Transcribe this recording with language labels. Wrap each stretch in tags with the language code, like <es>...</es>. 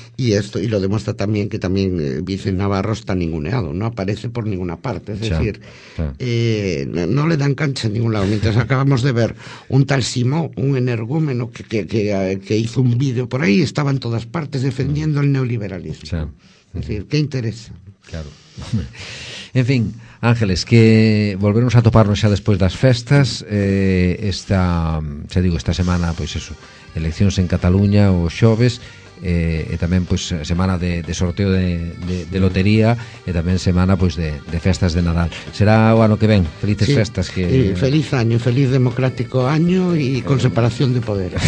<es>Y esto, y lo demuestra también que también Vicent Navarro está ninguneado, no aparece por ninguna parte, es decir, no le dan cancha en ningún lado, mientras acabamos de ver un tal Simó, un energúmeno que hizo un vídeo por ahí, estaba en todas partes defendiendo el neoliberalismo. Es decir, ¿qué interesa? Claro.</es> <gl>En fin, Ángeles, que volveremos a toparnos xa despois das festas, esta semana, pois eso, eleccións en Cataluña o xoves, e tamén pois semana de sorteo de lotería, e tamén semana pois de festas de Nadal. Será o ano que ven, felices festas. Que...</gl> <es>Feliz año, feliz democrático año e con separación de poder.</es>